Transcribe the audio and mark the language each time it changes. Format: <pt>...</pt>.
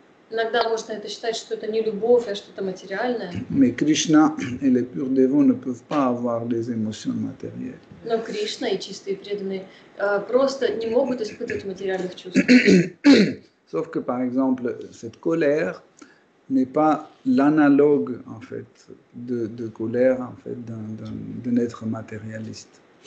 <ru>Иногда можно это считать, что это не любовь, а что-то материальное.</ru> <fr>Mais Krishna et les pure devots ne peuvent pas avoir des émotions matérielles.</fr> <ru>Но Кришна и чистые преданные просто не могут испытывать материальных чувств.</ru> <fr>Sauf que, par exemple, cette colère n'est pas l'analogue, en fait, de colère, en fait, d'un être matérialiste.</fr>